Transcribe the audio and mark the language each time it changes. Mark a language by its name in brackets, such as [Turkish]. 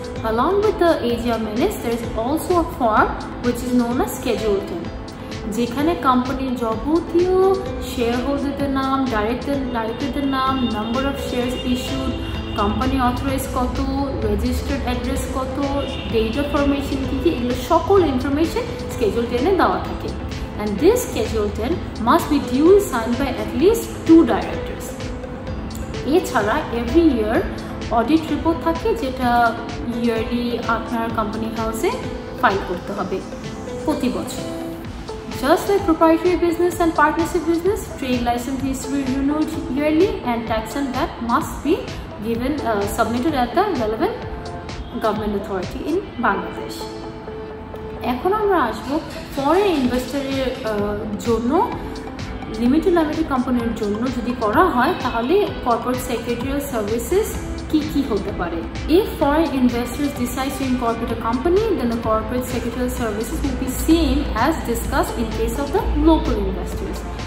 [English] along with the AGM minutes there is also a form which is known a schedule 10, [Bangla] যেখানে কোম্পানির যাবতীয় share হোল্ডারদের নাম, ডাইরেক্টরদের নাম, number of shares issued, company authorize কত, রেজিস্টার্ড অ্যাড্রেস কত, ডেট অফ ফরমেশন কী কী, এগুলো সকল ইনফরমেশন স্কেডিউল 10-এ দেওয়া থাকে। [English] And this Schedule 10 must be duly signed by at least two directors. [Bangla] এছাড়া এভরি ইয়ার অডিট রিপোর্ট থাকে, যেটা ইয়ারলি আপনার কোম্পানি হাউসে ফাইল করতে হবে প্রতি বছর। [English] just like proprietary business and partnership business, trade license is renewed yearly and tax and VAT must be given submitted at the relevant government authority in Bangladesh. [Bangla] এখন আমরা আসব ফরেন ইনভেস্টরের জন্য লিমিটেড লিমিটেড কোম্পানির জন্য যদি করা হয় তাহলে কর্পোরেট সেক্রেটারিয়াল সার্ভিসেস কী কী হতে পারে। [English] If foreign investors decides to incorporate a company then the corporate secretarial services will be same as discussed in case of the local investors.